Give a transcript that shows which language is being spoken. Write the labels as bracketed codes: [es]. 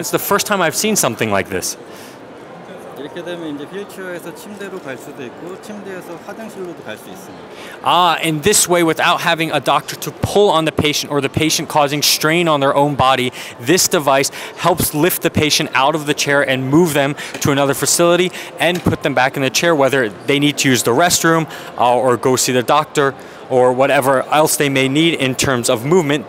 [en] It's the first time I've seen something like this. [ko] 이렇게 되면 이제 휠체어에서 침대로 갈 수도 있고 침대에서 화장실로도 갈 수 있습니다. [en] Ah, in this way, without having a doctor to pull on the patient or the patient causing strain on their own body, this device helps lift the patient out of the chair and move them to another facility and put them back in the chair, whether they need to use the restroom or go see the doctor or whatever else they may need in terms of movement.